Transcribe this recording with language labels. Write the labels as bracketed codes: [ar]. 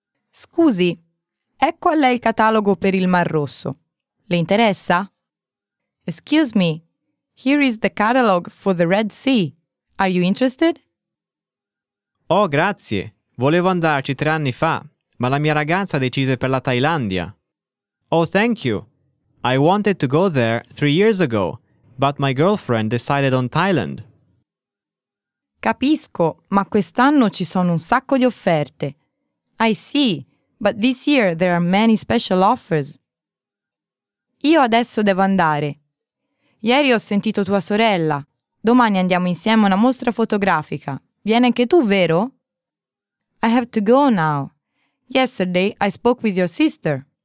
[it] Scusi, ecco a lei il catalogo per il Mar Rosso. Le interessa? [en] Excuse me, here is the catalog for the Red Sea. Are you interested? [it] Oh, grazie. Volevo andarci 3 anni fa, ma la mia ragazza decise per la Thailandia. [en] Oh, thank you. I wanted to go there 3 years ago, but my girlfriend decided on Thailand. [it] Capisco, ma quest'anno ci sono un sacco di offerte. [en] I see, but this year there are many special offers. [it] Io adesso devo andare. Ieri ho sentito tua sorella. Domani andiamo insieme a una mostra fotografica. Vieni anche tu, vero? [en] I have to go now. Yesterday I spoke with your sister.